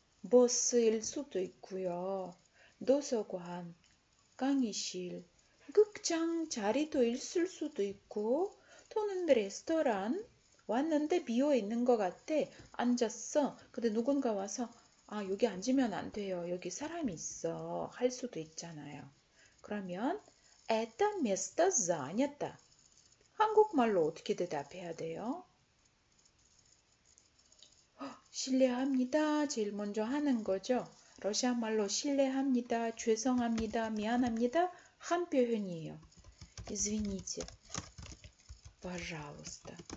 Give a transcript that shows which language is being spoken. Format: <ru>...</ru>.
<ko>버스일 수도 있고요. 도서관, 강의실, 극장 자리도 있을 수도 있고, 또는 레스토랑, 왔는데 비어 있는 것 같아. 앉았어. 근데 누군가 와서, 아, 여기 앉으면 안 돼요. 여기 사람이 있어. 할 수도 있잖아요.</ko> <ru>그러면, Это место занято.</ru> <ko>한국말로 어떻게 대답해야 돼요? 실례합니다. 제일 먼저 하는 거죠. 러시아 말로 실례합니다. 죄송합니다. 미안합니다. 한 표현이에요.</ko> <ru>Извините. Пожалуйста.</ru>